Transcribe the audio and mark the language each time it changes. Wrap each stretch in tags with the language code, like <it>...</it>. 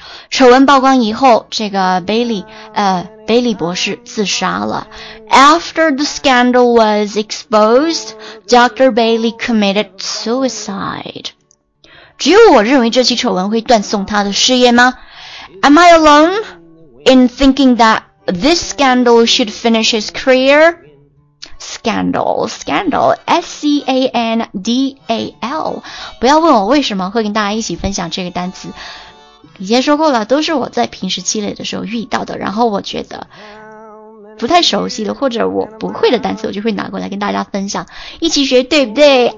<zh>丑闻曝光以后，这个 Bailey 博士自杀了。</zh> <en>After the scandal was exposed, Dr. Bailey committed suicide.</en> <zh>只有我认为这起丑闻会断送他的事业吗？</zh> <en>Am I alone in thinking that this scandal should finish his career? Scandal, scandal, S-C-A-N-D-A-L.</en> <zh>不要问我为什么会跟大家一起分享这个单词。以前说过了，都是我在平时积累的时候遇到的，然后我觉得不太熟悉的或者我不会的单词，我就会拿过来跟大家分享，一起学，对不对？</zh>